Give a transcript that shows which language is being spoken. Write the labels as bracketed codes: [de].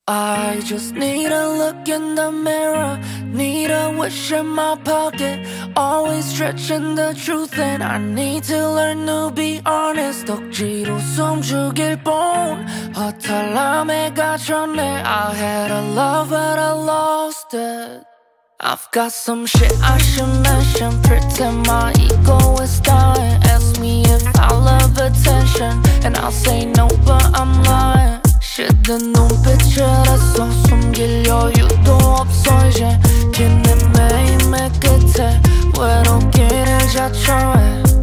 [en] I just need a look in the mirror, need a wish in my pocket, always stretching the truth, and I need to learn to be honest. [ko] 덕지로 숨죽일 뿐 허탈함에 갇혔네. [en] I had a love but I lost it. I've got some shit I should mention. Pretend my ego is dying. Ask me if I love attention, and I'll say no, but I'm lying. [ko] 시든 눈빛이라서 숨길 여유도 없어 이제. 긴 매임의 끝에 외롭기를 자처해.